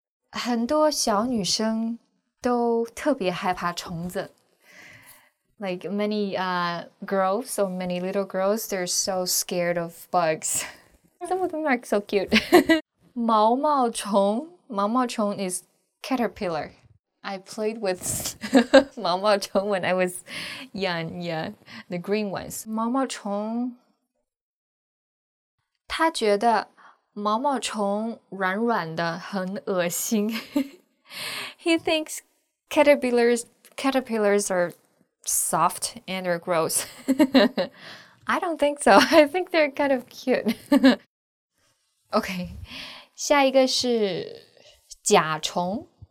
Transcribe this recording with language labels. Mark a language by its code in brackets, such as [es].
[zh] 很多小女生都特别害怕虫子， [en] like many girls or many little girls, they're so scared of bugs. Some of them are so cute. 毛毛虫 is caterpillar. I played with 毛毛虫 when I was young. Yeah, the green ones. [zh] 毛毛虫，他觉得毛毛虫软软的，很恶心。 [en] He thinks caterpillars are soft and are gross. I don't think so. I think they're kind of cute. Okay, [zh] 下一个是甲虫。